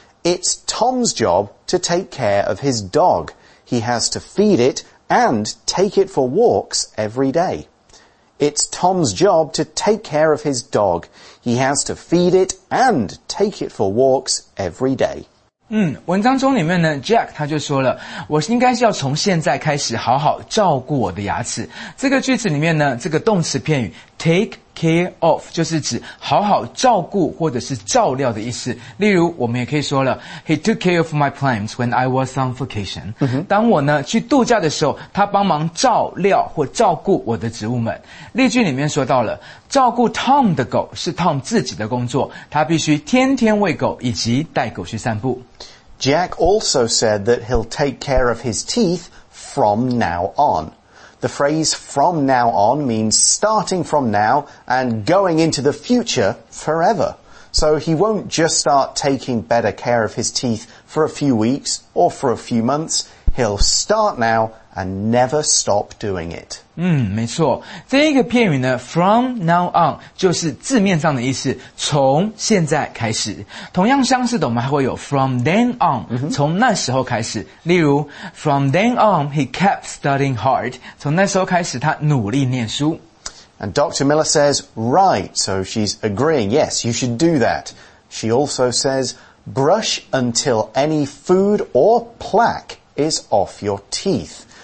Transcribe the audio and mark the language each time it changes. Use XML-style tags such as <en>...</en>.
<en>It's Tom's job to take care of his dog. He has to feed it and take it for walks every day. It's Tom's job to take care of his dog. He has to feed it and take it for walks every day.</en> <zh>文章中里面呢 ,Jack 他就说了，我应该是要从现在开始好好照顾我的牙齿。这个句子里面呢，这个动词片语 take care of 就是指好好照顾或者是照料的意思。例如我们也可以说了 ,</zh> <en>He took care of my plants when I was on vacation.、</en> <zh>嗯、当我呢去度假的时候，他帮忙照料或照顾我的植物们。例句里面说到了，照顾 Tom 的狗是 Tom 自己的工作，他必须天天喂狗以及带狗去散步。</zh> <en>Jack also said that he'll take care of his teeth from now on. The phrase from now on means starting from now and going into the future forever. So he won't just start taking better care of his teeth for a few weeks or for a few months. He'll start now and never stop doing it.</en> <zh>没错。这一个片语呢 ,from now on, 就是字面上的意思，从现在开始。同样相似的我们还会有 from then on,、嗯、从那时候开始。例如 ,</zh> <en>from then on, he kept studying hard,</en> <zh>从那时候开始他努力念书。</zh> <en>And Dr. Miller says, right, so she's agreeing, yes, you should do that. She also says, brush until any food or plaque is off your teeth.</en>